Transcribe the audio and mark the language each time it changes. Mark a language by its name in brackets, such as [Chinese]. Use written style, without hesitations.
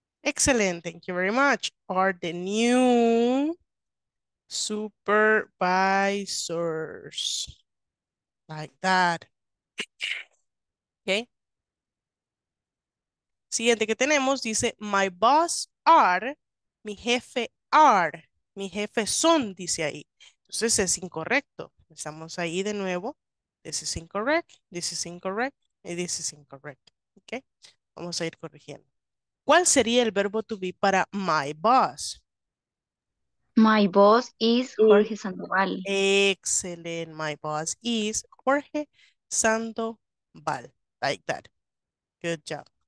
[Spanish] Excelente, [English] thank you very much. Are the new supervisors like that? Okay. [Spanish] Siguiente que tenemos dice: [English] My boss are, [Spanish] mi jefe are, mi jefe son, dice ahí. Entonces es incorrecto. Estamos ahí de nuevo. [English] This is incorrect, this is incorrect, and this is incorrect. [Spanish] Okay. Vamos a ir corrigiendo. ¿Cuál sería el verbo to be para [English] my boss? My boss is [Spanish] Sí. Jorge Sandoval. Excelente. [English] My boss is Jorge Sandoval. Like that. Good job.